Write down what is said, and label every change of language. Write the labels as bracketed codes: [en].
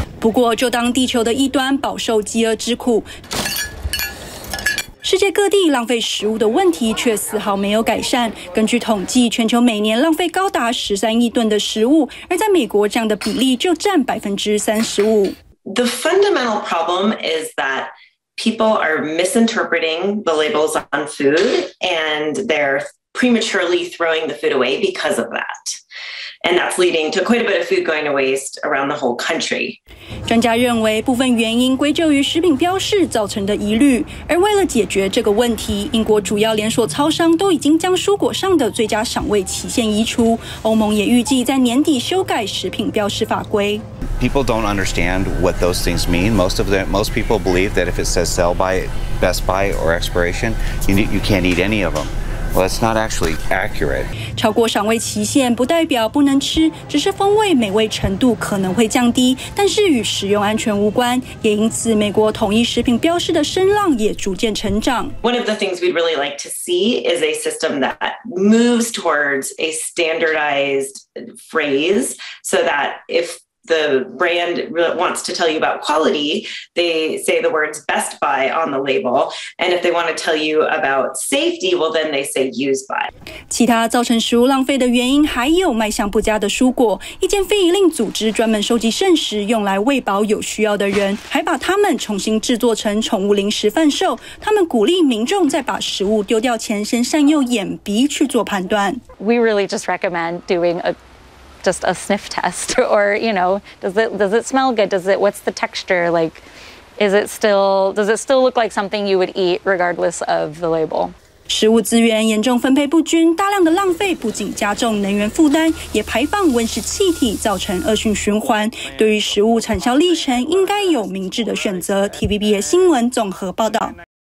[zh] 不过就当地球的一端饱受饥饿之苦，世界各地浪费食物的问题却丝毫没有改善。根据统计，全球每年浪费高达13亿吨的食物，而在美国，这样的比例就占35%。 [en] The fundamental problem is thatpeople are misinterpreting the labels on food and they're prematurely throwing the food away because of that. And that's leading to quite a bit of food going to waste around the whole country. [zh] 专家认为部分原因归咎于食品标示造成的疑虑。而为了解决这个问题，英国主要连锁超商都已经将蔬果上的最佳赏味期限移除。欧盟也预计在年底修改食品标示法规。 [en] People don't understand what those things mean. Most people believe that if it says sell by, best buy, or expiration, you can't eat any of them. Well, that's not actually accurate. [zh] 超过赏味期限不代表不能吃，只是风味美味程度可能会降低，但是与食用安全无关。也因此，美国统一食品标示的声浪也逐渐成长。 [en] One of the things we'd really like to see is a system that moves towards a standardized phrase, so that if the brand wants to tell you about quality, they say the words best buy on the label. And if they want to tell you about safety, well, then they say use by. [zh] 其他造成食物浪费的原因还有卖相不佳的蔬果。一间非营利组织专门收集剩食用来喂饱有需要的人，还把它们重新制作成宠物零食贩售。他们鼓励民众在把食物丢掉前先善用眼鼻去做判断。 [en] We really just recommend doing a sniff test, or you know, does it smell good? What's the texture like? Does it still look like something you would eat regardless of the label? [zh] 食物资源严重分配不均，大量的浪费不仅加重能源负担，也排放温室气体，造成恶性循环。对于食物产销历程，应该有明智的选择。TVBS 新闻综合报道。